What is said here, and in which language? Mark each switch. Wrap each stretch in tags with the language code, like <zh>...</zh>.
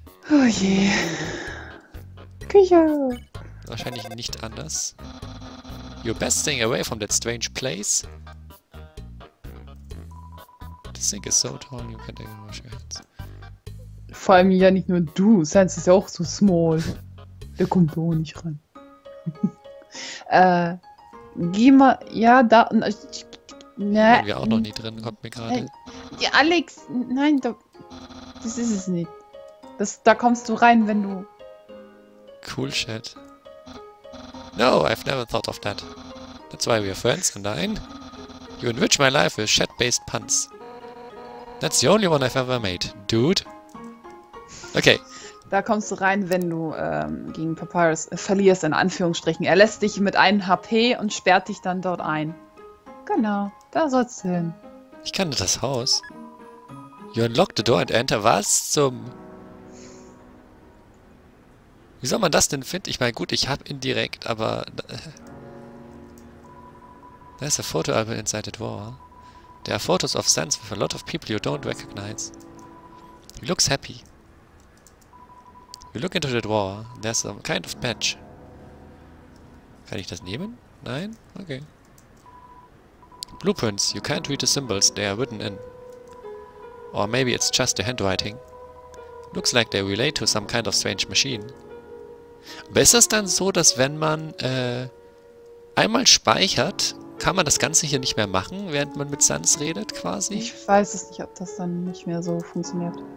<de>Oh je. Küche. Wahrscheinlich nicht anders.</de> <en>You're best staying away from that strange place. Sink is so tall, you can't even wash your hands.</en> <de>Vor allem ja nicht nur du, Sans ist ja auch so small. Der kommt auch nicht rein. geh mal, ja, da. Ne. Wir auch noch nie drin, kommt mir gerade. Ja, Alex, nein, da, das ist es nicht. Das, da kommst du rein, wenn du.</de> <en>Cool, Chat. No, I've never thought of that. That's why we're friends, nein. You enrich my life with chat-based puns. That's the only one I've ever made, dude. Okay.</en> <de>Da kommst du rein, wenn du gegen Papyrus verlierst, in Anführungsstrichen. Er lässt dich mit einem HP und sperrt dich dann dort ein. Genau, da sollst du hin. Ich kannte das Haus.</de> <en>You unlock the door and enter.</en> <de>Was zum... Wie soll man das denn finden? Ich meine, gut, ich hab indirekt, aber...</de> <en>There's a photo album inside the door. There are photos of Sans with a lot of people you don't recognize. He looks happy. You look into the drawer. There's some kind of patch.</en> <de>Kann ich das nehmen? Nein?</de> <en>Okay. Blueprints. You can't read the symbols they are written in. Or maybe it's just the handwriting. Looks like they relate to some kind of strange machine.</en> <de>Aber ist das dann so, dass wenn man einmal speichert, kann man das Ganze hier nicht mehr machen, während man mit Sans redet, quasi? Ich weiß es nicht, ob das dann nicht mehr so funktioniert.</de>